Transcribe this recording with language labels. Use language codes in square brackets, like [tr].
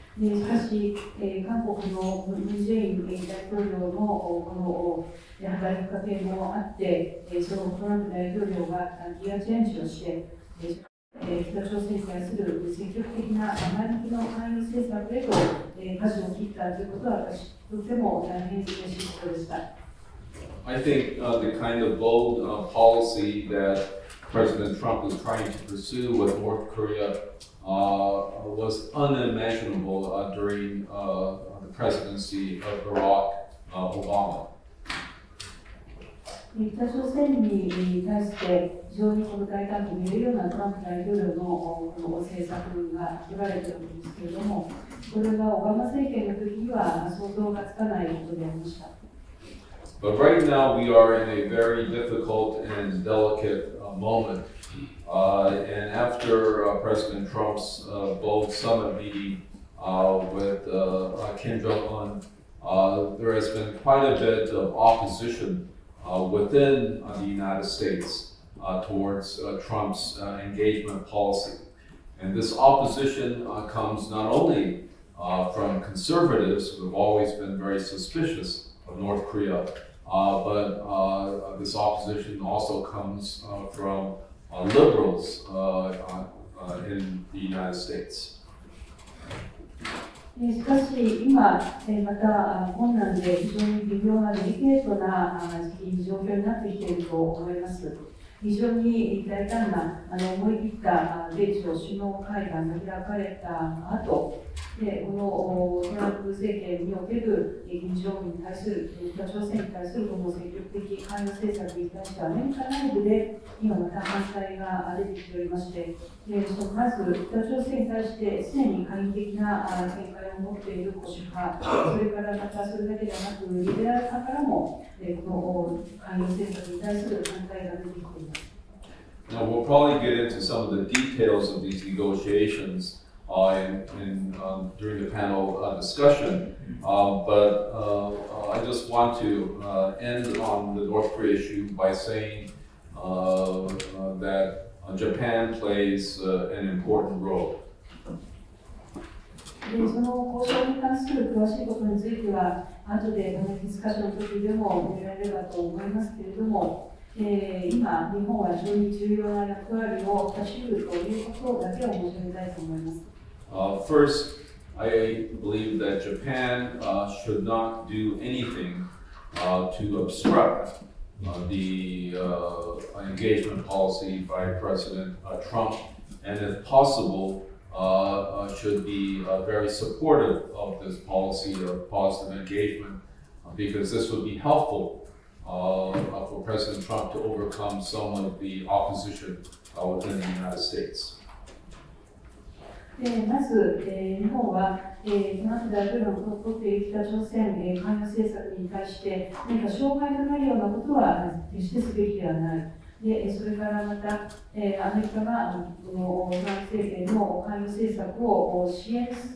[ja] しかし、韓国のムン・ジェイン大統領のこの働きかけもあって、そのトランプ大統領がギアチェンジをして、北朝鮮に対する積極的な前向きの関与政策へと舵を切ったということは、私とても大変嬉しいことでした。 [en] I think the kind of bold policy that President Trump was trying to pursue with North Korea. Was unimaginable during the presidency of Barack Obama. [ja] 北朝鮮に対して非常にこの大胆と見えるようなトランプ大統領のこの政策が言われているんですけれども、これがオバマ政権の時には想像がつかないことでありました。 [en] But right now we are in a very difficult and delicate moment. And after President Trump's bold summit meeting with Kim Jong-un, there has been quite a bit of opposition within the United States towards Trump's engagement policy. And this opposition comes not only from conservatives, who have always been very suspicious of North Korea, but this opposition also comes fromLiberals in the United States. [ja] しかし今、また困難で非常に微妙なデリケートな状況になってきていると思います。非常に大胆な思い切った米朝首脳会談が開かれた後、でこのトランプ政権における金正恩に対する北朝鮮に対するこの積極的関与政策に対してはアメリカ内部で今また反対が出てきておりまして、でそのまず北朝鮮に対して既に懐疑的な見解を持っている保守派、それからまたそれだけではなくリベラル派からもこの関与政策に対する反対が出てきています。 [en] Now we'll probably get into some of the details of these negotiationsduring the panel discussion, but I just want to end on the North Korea issue by saying that Japan plays an important role. [ja] その交渉に関する詳しいことについては後でこのディスカッションの時でも見られればと思いますけれども、今日本は非常に重要な役割を果たしているということだけを申し上げたいと思います。 [en] First, I believe that Japan should not do anything to obstruct the engagement policy by President Trump, and if possible, should be very supportive of this policy of positive engagement, because this would be helpful for President Trump to overcome some of the opposition within the United States. [ja] まず、日本は、トランプ大統領の取っている北朝鮮、関与政策に対して何か障害となるようなことは決してすべきではない。でそれからまた、アメリカがこのトランプ政権の関与政策を支援